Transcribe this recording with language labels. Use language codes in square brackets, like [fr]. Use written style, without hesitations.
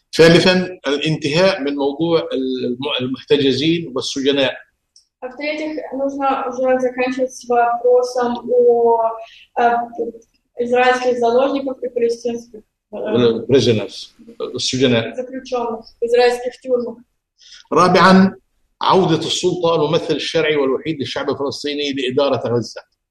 [ar] ثالثا الانتهاء من موضوع المحتجزين والسجناء. [ru] В-третьих, нужно уже заканчивать с вопросом о израильских заложников и палестинских [en] prisoners, [ar] السجناء. [ru] Заключенных в израильских тюрьмах. [ar] رابعا عودة السلطة الممثل الشرعي والوحيد للشعب الفلسطيني لإدارة غزة.